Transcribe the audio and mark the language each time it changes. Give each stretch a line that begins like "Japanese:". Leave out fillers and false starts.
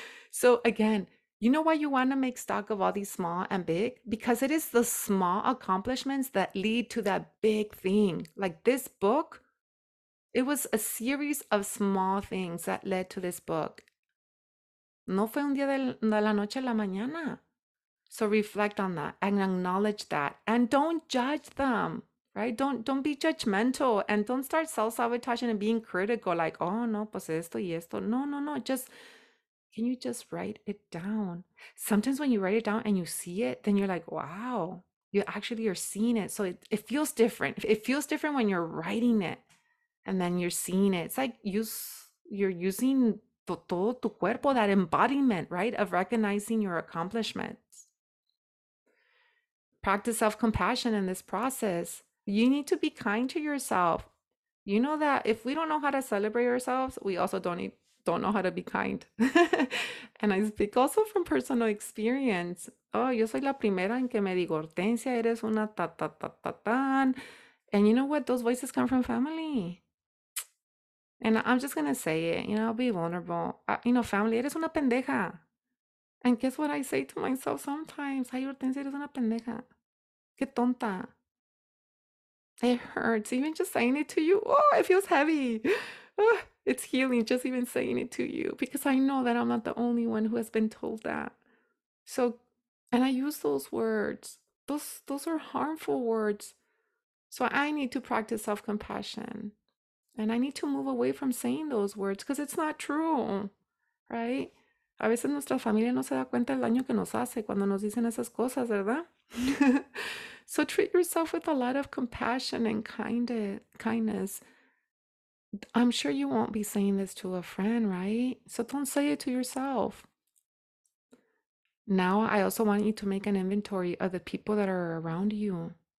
English: So again, you know why you want to make stock of all these small and big? Because it is the small accomplishments that lead to that big thing. Like this book, it was a series of small things that led to this book.
Spanish: No fue un día de la noche a la mañana.
English: So reflect on that and acknowledge that and don't judge them, right? Don't be judgmental and don't start self-sabotaging and being critical, like, oh no,
Spanish: pues esto y esto.
English: No. Can you just write it down? Sometimes when you write it down and you see it, then you're like, wow, you actually are seeing it. So it feels different. It feels different when you're writing it and then you're seeing it. It's like you're using
Spanish: todo tu cuerpo,
English: that embodiment, right, of recognizing your accomplishments. Practice self-compassion in this process. You need to be kind to yourself. You know that if we don't know how to celebrate ourselves, we also don't know how to be kind. And I speak also from personal experience.
Spanish: Oh, yo soy la primera en que me digo, Hortensia, eres una ta ta ta ta tan.
English: And you know what? Those voices come from family. And I'm just gonna say it, I'll be vulnerable. Family,
Spanish: eres una pendeja.
English: And guess what I say to myself sometimes?
Spanish: Ay, Hortensia, eres una pendeja. Qué tonta.
English: It hurts. Even just saying it to you, oh, it feels heavy. Oh, it's healing just even saying it to you because I know that I'm not the only one who has been told that. So, and I use those words. Those are harmful words. So I need to practice self-compassion. And I need to move away from saying those words because it's not true, right?
Spanish: A veces nuestra familia no se da cuenta del daño que nos hace cuando nos dicen esas cosas, ¿verdad?
English: So treat yourself with a lot of compassion and kindness. I'm sure you won't be saying this to a friend, right? So don't say it to yourself. Now, I also want you to make an inventory of the people that are around you.